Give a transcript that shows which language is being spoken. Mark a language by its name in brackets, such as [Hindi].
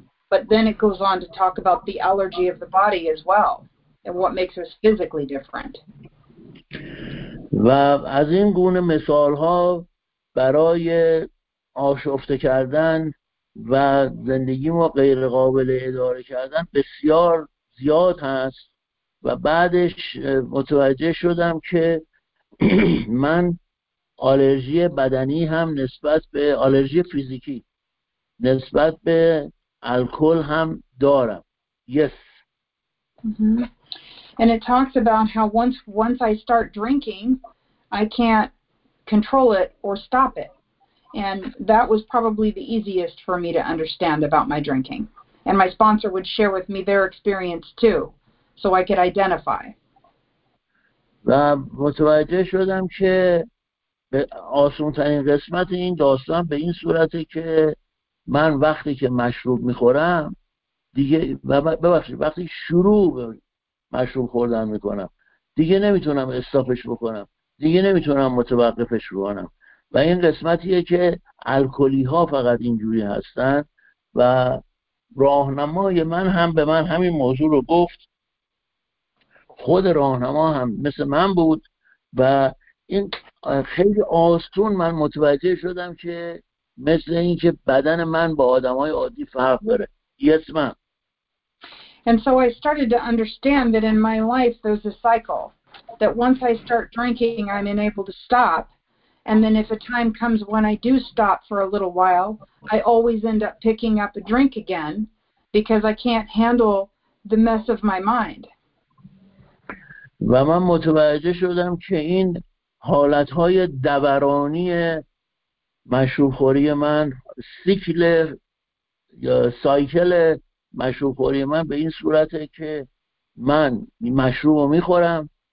[English] But then it goes on to talk about the allergy of the body as well, and what makes us physically different. [Persian] و از این گونه مثال‌ها برای آشفته کردن و زندگی ما غیر قابل اداره کردن بسیار زیاد هست. و بعدش متوجه شدم که من آلرژی بدنی هم نسبت به آلرژی فیزیکی نسبت به الکل هم دارم. [English] Yes. Mm-hmm. And it talks about how once I start drinking, I can't control it or stop it. And that was probably the easiest for me to understand about my drinking. And my sponsor would share with me their experience too, so I could identify. [Persian] و متوجه شدم که آسان‌ترین قسمت این داستان به این صورته که من وقتی که مشروب میخورم دیگه، ببخشید، وقتی شروع به مشروب خوردن میکنم دیگه نمیتونم استاپش بکنم، دیگه نمیتونم متوقفش بکنم. و این قسمتیه که الکلی ها فقط اینجوری هستن و راهنمای من هم به من همین موضوع رو گفت. خود راهنما هم مثل من بود و این خیلی آسون من متوجه شدم که مثل اینکه بدن من با آدمای عادی فرق داره. [English] Yes, ma'am. And so I started to understand that in my life there's a cycle that once I start drinking I'm unable to stop, and then if a time comes when I do stop for a little while, I always end up picking up a drink again because I can't handle the mess of my mind. [Persian] و من متوجه شدم که این حالت‌های دورانی مشروب‌خوری من، سیکل یا سایکل مشروب‌خوری من به این صورته که من مشروب رو می‌خورم،